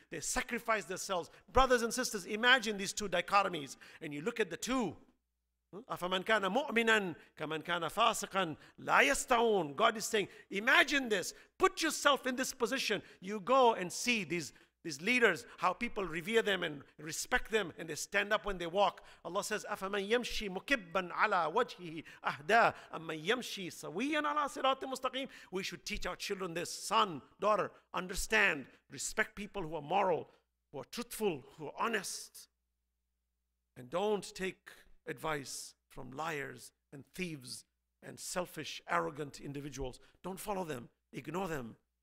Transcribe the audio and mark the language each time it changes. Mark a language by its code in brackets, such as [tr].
[en] They sacrifice themselves. Brothers and sisters, imagine these two dichotomies, and you look at the two. [ar] أَفَمَنْ كَانَ مُؤْمِنًا كَمَنْ كَانَ فَاسِقًا لَا يَسْتَعُونَ. [en] God is saying, imagine this. Put yourself in this position. You go and see these leaders, how people revere them and respect them, and they stand up when they walk. Allah says, [ar] أَفَمَنْ يَمْشِي مُكِبًّا عَلَى وَجْهِهِ أَهْدَى أَمَّنْ يَمْشِي سَوِيًّا عَلَى صِرَاطٍ مُسْتَقِيمٍ. [en] We should teach our children this. Son, daughter, understand, respect people who are moral, who are truthful, who are honest. And don't take advice from liars and thieves and selfish, arrogant individuals. Don't follow them. Ignore them.